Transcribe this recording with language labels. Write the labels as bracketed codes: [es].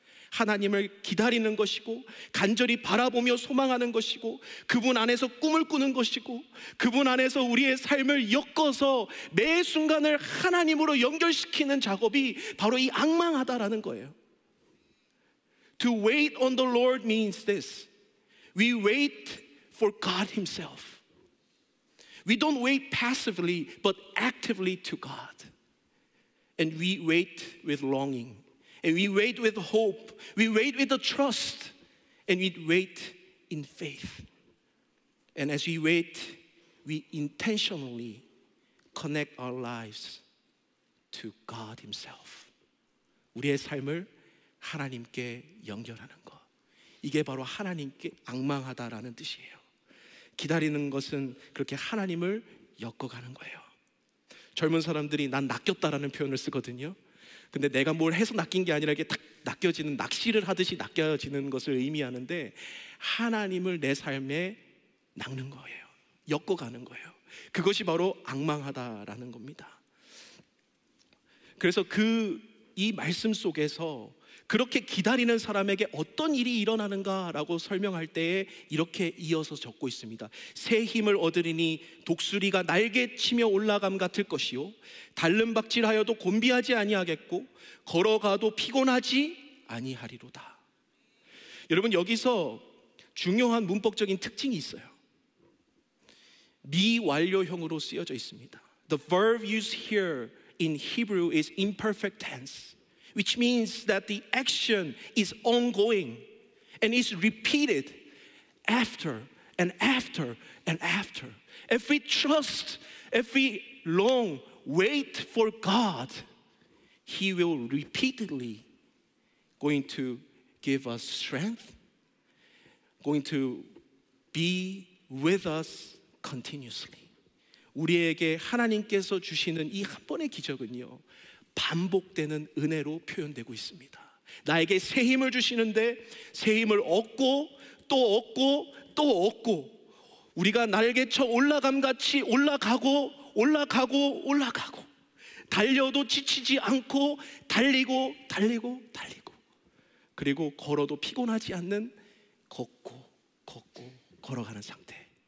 [ko] 하나님을 기다리는 것이고 간절히 바라보며 소망하는 것이고 그분 안에서 꿈을 꾸는 것이고 그분 안에서 우리의 삶을 엮어서 매 순간을 하나님으로 연결시키는 작업이 바로 이 앙망하다라는 거예요. [en] To wait on the Lord means this. We wait for God himself. We don't wait passively, but actively to God. And we wait with longing. And we wait with hope. We wait with the trust. And we wait in faith. And as we wait, we intentionally connect our lives to God himself. [ko] 우리의 삶을 하나님께 연결하는 것. 이게 바로 하나님께 앙망하다라는 뜻이에요. 기다리는 것은 그렇게 하나님을 엮어가는 거예요. 젊은 사람들이 난 낚였다라는 표현을 쓰거든요. 근데 내가 뭘 해서 낚인 게 아니라 이게 탁 낚여지는 낚시를 하듯이 낚여지는 것을 의미하는데 하나님을 내 삶에 낚는 거예요. 엮어가는 거예요. 그것이 바로 앙망하다라는 겁니다. 그래서 그 이 말씀 속에서 그렇게 기다리는 사람에게 어떤 일이 일어나는가라고 설명할 때에 이렇게 이어서 적고 있습니다. 새 힘을 얻으리니 독수리가 날개 치며 올라감 같을 것이요. 달름박질하여도 곤비하지 아니하겠고 걸어가도 피곤하지 아니하리로다. 여러분 여기서 중요한 문법적인 특징이 있어요. 미완료형으로 쓰여져 있습니다. [en] The verb used here in Hebrew is imperfect tense. Which means that the action is ongoing and is repeated after and after and after. If we trust, if we long wait for God, He will repeatedly going to give us strength, going to be with us continuously. [ko] 우리에게 하나님께서 주시는 이 한 번의 기적은요, 반복되는 은혜로 표현되고 있습니다. 나에게 새 힘을 주시는데 새 힘을 얻고 또 얻고 또 얻고, 우리가 날개쳐 올라감 같이 올라가고 올라가고 올라가고, 달려도 지치지 않고 달리고 달리고 달리고, 그리고 걸어도 피곤하지 않는 걷고 걷고 걸어가는 상태.